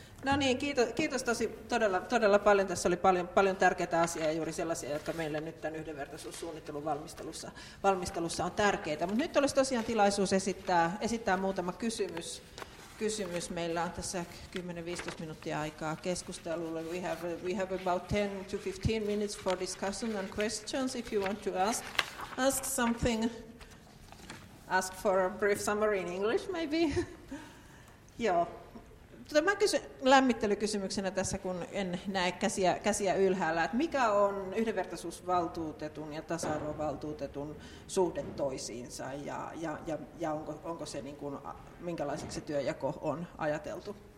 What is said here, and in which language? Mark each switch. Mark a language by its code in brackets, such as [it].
[fi] No niin, kiitos tosi todella paljon. Tässä oli paljon tärkeitä asioita, juuri sellaisia, jotka meille nyt tämän yhdenvertaisuussuunnittelun valmistelussa on tärkeitä. Mutta nyt olisi tosiaan tilaisuus esittää muutama kysymys. Meillä on tässä 10-15 minuuttia aikaa keskustelulle. [en] We have about 10 to 15 minutes for discussion and questions. If you want to ask something, ask for a brief summary in English maybe. [fi] Joo. Mä kysyn lämmittelykysymyksenä tässä, kun en näe käsiä ylhäällä, että mikä on yhdenvertaisuusvaltuutetun ja tasa-arvovaltuutetun suhde toisiinsa ja onko se niin kuin, minkälaiseksi se työjako on ajateltu?